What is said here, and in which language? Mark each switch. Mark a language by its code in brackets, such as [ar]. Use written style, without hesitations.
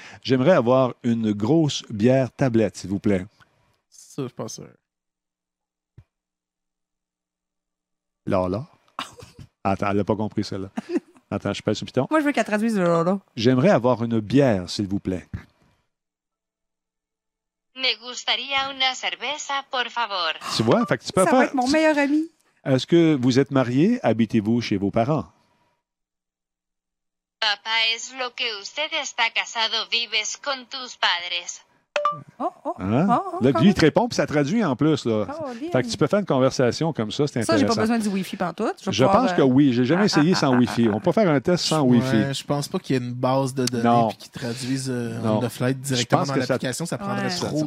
[fr] J'aimerais avoir une grosse bière tablette, s'il vous plaît. Ça, je pense. Lala? Attends, elle n'a pas compris celle-là. Attends, je passe au piton. Moi, je veux qu'elle traduise Lala. J'aimerais avoir une bière, s'il vous plaît. [es] Me gustaría una cerveza, por favor. [fr] Tu vois, fait que tu peux ça faire. Ça va être mon meilleur ami. Est-ce que vous êtes marié? Habitez-vous chez vos parents? [es] Papa, es lo que usted está casado, vives con tus padres. [fr] Là, lui, il te répond, puis ça traduit en plus. Là. Fait que tu peux faire une conversation comme ça, c'est intéressant. Ça, j'ai pas besoin du Wi-Fi pantoute. Je pense que oui, j'ai jamais essayé sans Wi-Fi. On peut faire un test sans Wi-Fi. Ouais, je pense pas qu'il y ait une base de données qui traduise [en] on the fly [fr] directement dans l'application. Ça prendrait trop